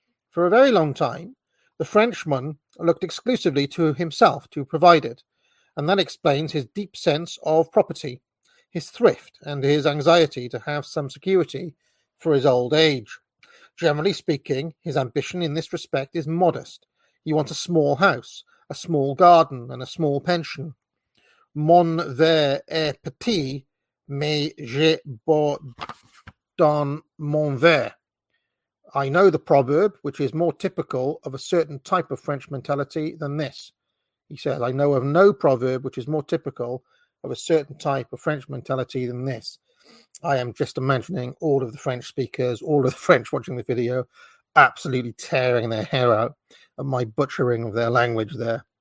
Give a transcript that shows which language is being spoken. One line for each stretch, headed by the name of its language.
English: For a very long time, the Frenchman looked exclusively to himself to provide it, and that explains his deep sense of property, his thrift, and his anxiety to have some security for his old age. Generally speaking, his ambition in this respect is modest. He wants a small house, a small garden, and a small pension.
French: Mon verre est petit, mais je bois dans mon verre.
English: I know the proverb, which is more typical of a certain type of French mentality than this. He says, I know of no proverb which is more typical of a certain type of French mentality than this. I am just imagining all of the French speakers, all of the French watching the video, absolutely tearing their hair out at my butchering of their language there.